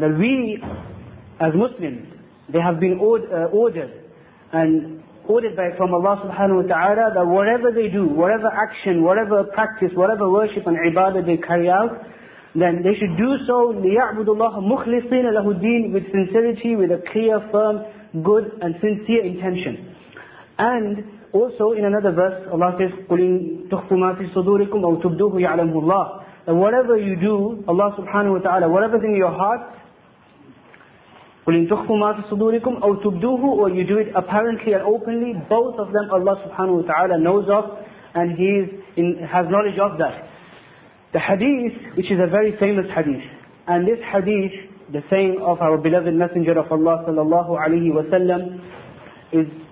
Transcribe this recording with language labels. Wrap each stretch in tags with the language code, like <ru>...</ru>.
<en>That we, as Muslims, they have been ordered by from Allah subhanahu wa ta'ala, that whatever they do, whatever action, whatever practice, whatever worship and ibadah they carry out, then they should do so,</en> <ar>لِيَعْبُدُوا اللَّهَ مُخْلِصِينَ لَهُ الدِّينَ,</ar> <en>with sincerity, with a clear, firm, good and sincere intention. And also in another verse, Allah says,</en> <ar>قُلْ إِن تُخْفُ مَا فِي صُدُورِكُمْ أَوْ تُبْدُوهُ يَعْلَمُهُ اللَّهُ.</ar> <en>That whatever you do, Allah subhanahu wa ta'ala, whatever's in your heart,</en> <ar>قُلْ إِن تُخْفُ مَا فِي صُدُورِكُمْ أَوْ تُبْدُوهُ,</ar> <en>or you do it apparently and openly, both of them Allah subhanahu wa ta'ala knows of, and He is in, has knowledge of that. The hadith, which is a very famous hadith, and this hadith, the saying of our beloved Messenger of Allah sallallahu alayhi wa sallam, is</en>